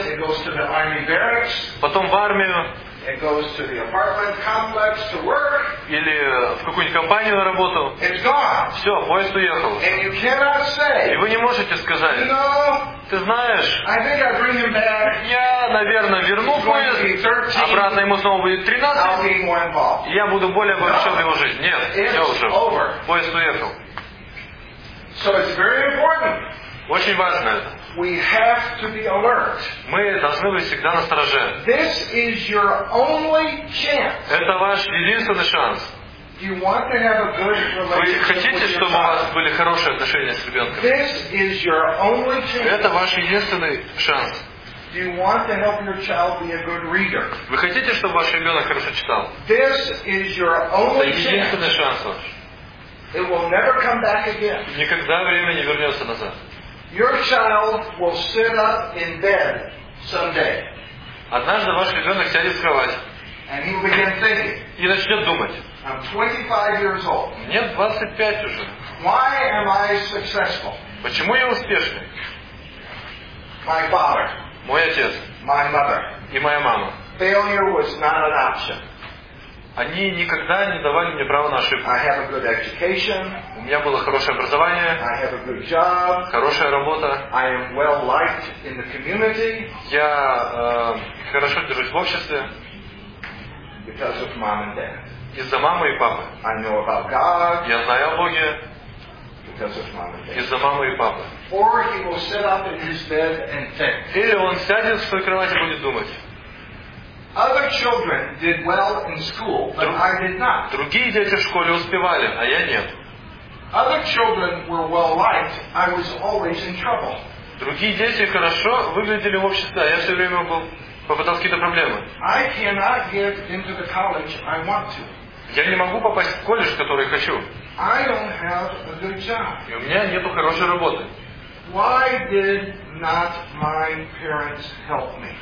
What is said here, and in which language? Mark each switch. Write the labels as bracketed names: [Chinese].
[English] It goes to the army barracks. [Russian] Потом в армию. [English] It goes to the apartment complex to work. [Russian] Или в какую-нибудь компанию на работу. [English] It's gone. [Russian] Все, поезд уехал. [English] And you cannot say, [Russian] и вы не можете сказать, [English] you know, [Russian] ты знаешь, [English] I think I'll bring him back. [Russian] Я, наверное, верну поезд, обратно ему снова будет 13, я буду более вовлечен в его жизнь. Нет, все уже. [English] Over. [Russian] Поезд уехал. [English] So it's very important. [Russian] Очень важно это. [English] We have to be alert. [Russian] Мы должны быть всегда настороже. [English] This is your only chance. [Russian] Это ваш единственный шанс. [English] Do you want to have a good relationship with your child? [Russian] Вы хотите, чтобы у вас были хорошие отношения с ребенком? [English] This is your only chance. [Russian] Это ваш единственный шанс. [English] Do you want to help your child be a good reader? [Russian] Вы хотите, чтобы ваш ребенок хорошо читал? [English] This is your only chance. [Russian] Это единственный шанс ваш. [English] It will never come back again. [Russian] Никогда время не вернется назад. [English] Your child will sit up in bed someday. [Russian] Однажды ваш ребенок сядет в кровать. [English] And he'll begin thinking. [Russian] И начнет думать. [English] I'm 25 years old. [Russian] Мне 25 уже. [English] Why am I successful? [Russian] Почему я успешный? [English] My father. [Russian] Мой отец. [English] My mother. [Russian] И моя мама. [English] Failure was not an option. [Russian] Они никогда не давали мне права на ошибку. [English] I have a good education. [Russian] У меня было хорошее образование. [English] I have a good job. [Russian] Хорошая работа. [English] I am well liked in the community. [Russian] Я хорошо держусь в обществе. [English] Because of mom and dad. [Russian] Из-за мамы и папы. [English] I know about God. [Russian] Я знаю о Боге. [English] Because of mom and dad. [Russian] Из-за мамы и папы. [English] Or he will sit up in his bed and think. [Russian] Или он сядет в своей кровати и будет думать. [English] Other children did well in school, but I did not. [Russian] Другие дети в школе успевали, а я нет. [English] Other children were well liked, I was always in trouble. [Russian] Другие дети хорошо выглядели в обществе, а я все время попадал в какие-то проблемы. [English] I cannot get into the college I want to. [Russian] Я не могу попасть в колледж, который хочу. [English] I don't have a good job. [Russian] И у меня нету хорошей работы. [English] Why did not my parents help me?